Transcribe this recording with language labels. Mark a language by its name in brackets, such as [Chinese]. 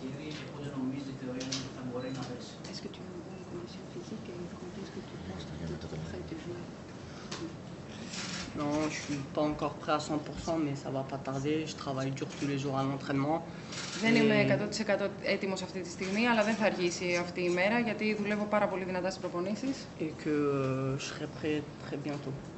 [French] Est-ce que tu as une condition physique et quand est-ce que tu penses que tu es prêt de jouer? Non, je suis pas encore prêt à 100%, mais ça va pas tarder. Je travaille dur tous les jours à l'entraînement. [Greek] Δεν είμαι 100% έτοιμος αυτή τη στιγμή, αλλά δεν θα αργήσει αυτή η μέρα γιατί δουλεύω πάρα πολύ δυνατά στις προπονήσεις. [French] Et que je serai prêt très bientôt.